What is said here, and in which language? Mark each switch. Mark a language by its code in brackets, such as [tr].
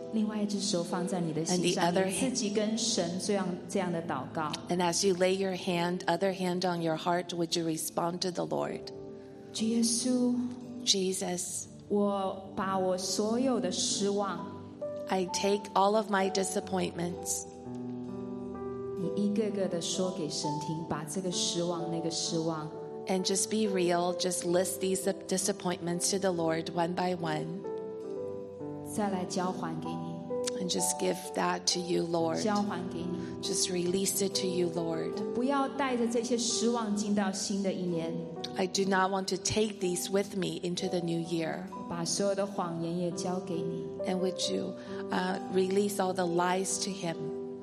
[zh] 另外一只手放在你的心上, [en] and the other hand, [zh] 你自己跟神这样的祷告, [en] and as you lay your hand, other hand on your heart, would you respond to the Lord? [zh] 耶稣, [en] Jesus, [zh] 我把我所有的失望, [en] I take all of my disappointments. [zh] 你一个个地说给神听, 把这个失望, 那个失望, [en] and just be real, just list these disappointments to the Lord one by one. [zh] 再来交还给你, [en] and just give that to you, Lord. [zh] 交还给你, [en] just release it to you, Lord. [zh] 我不要带着这些失望进到新的一年, [en] I do not want to take these with me into the new year. [zh] 把所有的谎言也交给你, [en] and would you release all the lies to Him.